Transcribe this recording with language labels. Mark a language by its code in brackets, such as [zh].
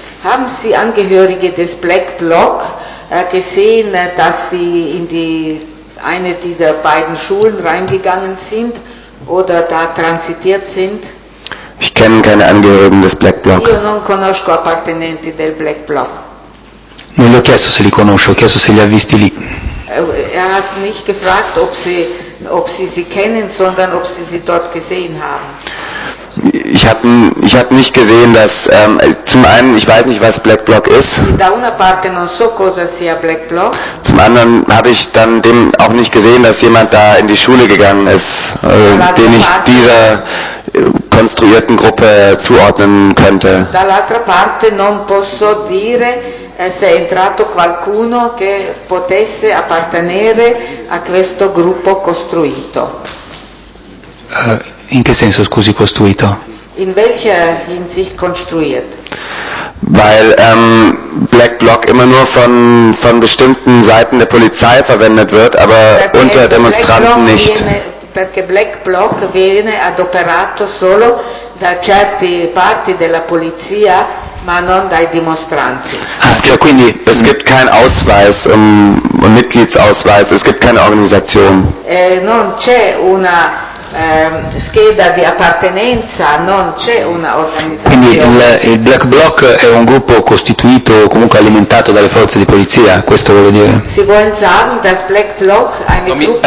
[de] Haben Sie Angehörige des Black Bloc gesehen, dass sie in die eine dieser beiden Schulen reingegangen sind oder da transitiert sind? Ich kenne keine Angehörigen des Black Bloc. [it] Io non conosco appartenenti del Black Bloc. Non gli ho chiesto se li conosco, ho chiesto se li ha visti lì. [de] Er hat nicht gefragt, ob sie kennen, sondern ob sie dort gesehen haben. Ich hab nicht gesehen, dass zum einen, ich weiß nicht, was Black Bloc ist. [it] Da una parte non so cosa sia Black Bloc. [de] Zum anderen habe ich dann dem auch nicht gesehen, dass jemand da in die Schule gegangen ist, den ich dieser konstruierten Gruppe zuordnen könnte. [it] Dall'altra parte non posso dire se è entrato qualcuno che potesse appartenere a questo gruppo costruito. In che senso, scusi, costruito? [de] In welcher Hinsicht konstruiert? Weil Black Bloc immer nur von bestimmten Seiten der Polizei verwendet wird, aber [it] perché [de] unter Demonstranten nicht. [it] Perché Black Bloc viene adoperato solo da certe parti della polizia, ma non dai dimostranti. [de] Es gibt keinen Ausweis, un Mitgliedsausweis, es gibt keine Organisation. [it] Non c'è una scheda di appartenenza, non c'è una organizzazione. Quindi il Black Bloc è un gruppo costituito, comunque alimentato dalle forze di polizia, questo vuol dire? Si può pensare che il Black Bloc ha una gruppo